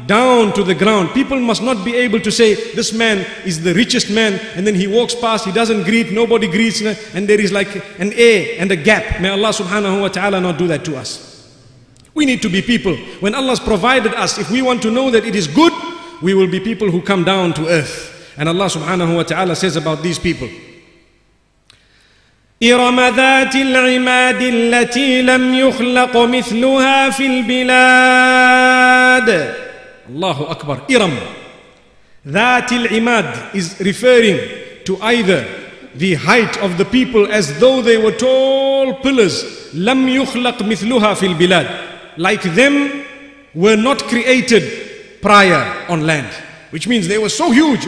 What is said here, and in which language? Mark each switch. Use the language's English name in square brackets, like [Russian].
[English] down to the ground. People must not be able to say, this man is the richest man, and then he walks past, he doesn't greet, nobody greets, and there is like an air and a gap. May Allah subhanahu wa ta'ala not do that to us. We need to be people. When Allah's provided us, if we want to know that it is good, we will be people who come down to earth. And Allah subhanahu wa ta'ala says about these people, [Arabic] إرم ذات العماد التي لم يخلق مثلها في البلاد. الله أكبر. إرم ذات العماد [English] is referring to either the height of the people as though they were tall pillars. [Arabic] لم يخلق مثلها في البلاد, [English] like them were not created prior on land, which means they were so huge.